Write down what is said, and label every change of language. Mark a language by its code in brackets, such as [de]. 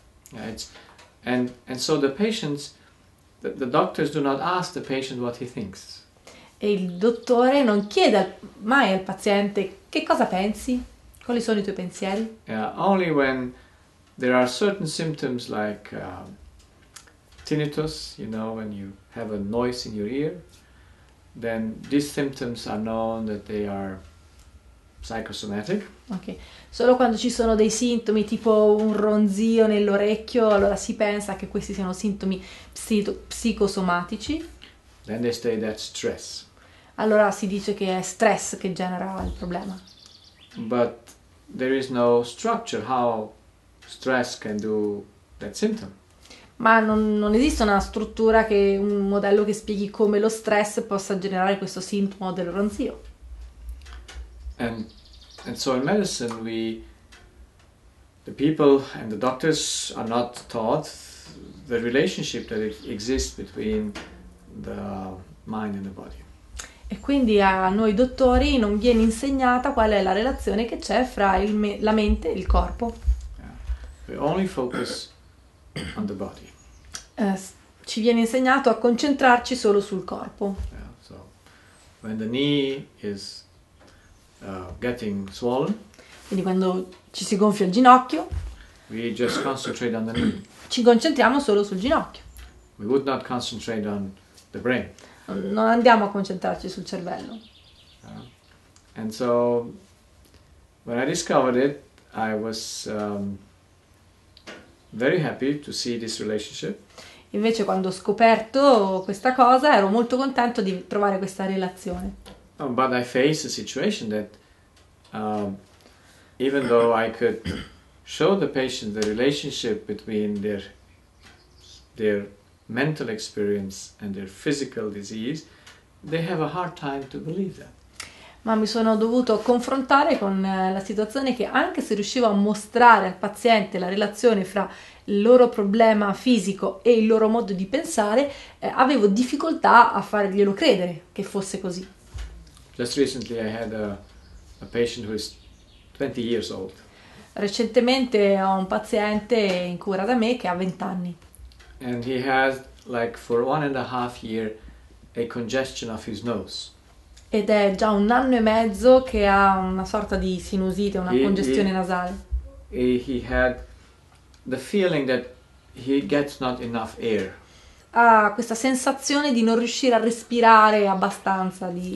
[en] Yeah, and so the patients, the doctors do not ask the patient what he thinks. [it] E il dottore non chiede mai al paziente che cosa pensi. Quali sono i tuoi pensieri? [en] Only when there are certain symptoms like tinnitus, you know, when you have a noise in your ear, then these symptoms are known that they are psychosomatic. [it] Ok, solo quando ci sono dei sintomi tipo un ronzio nell'orecchio, allora si pensa che questi siano sintomi psicosomatici. [en] Then they say that's stress. [it] Allora si dice che è stress che genera il problema. [en] But there is no structure how stress can do that symptom. [it] Ma non esiste una struttura, che un modello che spieghi come lo stress possa generare questo sintomo del ronzio. [en] And so in medicine we the people and the doctors are not taught the relationship that exists between the mind and the body. [it] E quindi a noi dottori non viene insegnata qual è la relazione che c'è fra la mente e il corpo. [en] Yeah. We only focus on the body. [it] Ci viene insegnato a concentrarci solo sul corpo. [en] Yeah. So, when the knee is getting swollen, [it] quindi quando ci si gonfia il ginocchio, [en] we just concentrate on the knee. [it] Ci concentriamo solo sul ginocchio. [en] We would not concentrate on the brain. [it] Non andiamo a concentrarci sul cervello. [en] And so when I discovered it, I was very happy to see this relationship. [it] Invece quando ho scoperto questa cosa, ero molto contento di trovare questa relazione. [en] But I faced a situation that even though I could show the patient the relationship between their mental experience and their physical disease, they have a hard time to believe that. [it] Ma mi sono dovuto confrontare con la situazione che, anche se riuscivo a mostrare al paziente la relazione fra il loro problema fisico e il loro modo di pensare, avevo difficoltà a farglielo credere che fosse così. [en] Just recently I had a patient who is 20 years old. [it] Recentemente ho un paziente in cura da me che ha 20 anni. [en] And he has, like, for 1.5 years, a congestion of his nose. [it] Ed è già un anno e mezzo che ha una sorta di sinusite, una congestione nasale. [en] He had the feeling that he gets not enough air. [it] Ha questa sensazione di non riuscire a respirare abbastanza.